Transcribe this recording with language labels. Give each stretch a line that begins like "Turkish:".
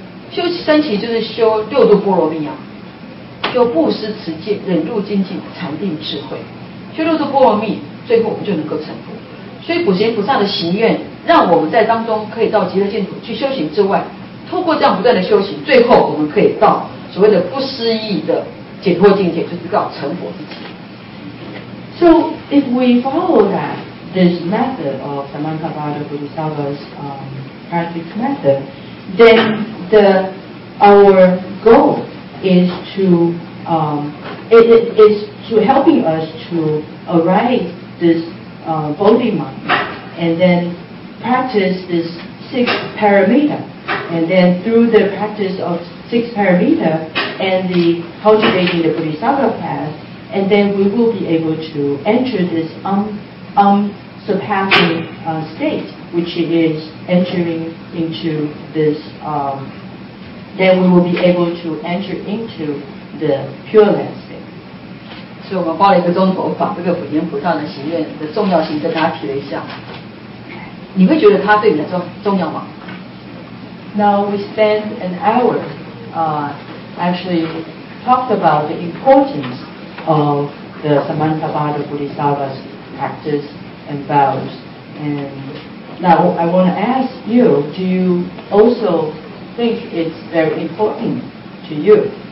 Chinese: 修三期就是修六度波罗蜜啊，修布施、持戒、忍辱、精进、禅定、智慧，修六度波罗蜜，最后我们就能够成佛。所以普贤菩萨的行愿，让我们在当中可以到极乐净土去修行之外，透过这样不断的修行，最后我们可以到所谓的不思议的解脱境界，就是到成佛之境。
English: So if we follow that, this method of Samantabhadra Bodhisattva's practice method, then our goal is to helping us to arrive this Bodhi mind, and then practice this six paramita. And then through the practice of six paramita and the cultivating the Bodhisattva path,And then we will be able to enter this unsurpassing state, which is entering into this, then we will be able to enter into the pure land state.
Chinese: So, 我报了一个钟头，把这个普贤菩萨的行愿的重要性跟大家提了一下。你会觉得它对你的重要吗？
English: Now we spend an hour, actually talked about the importance. Of the Samantabhadra Bodhisattva's practice and vows. And now I want to ask you, do you also think it's very important to you?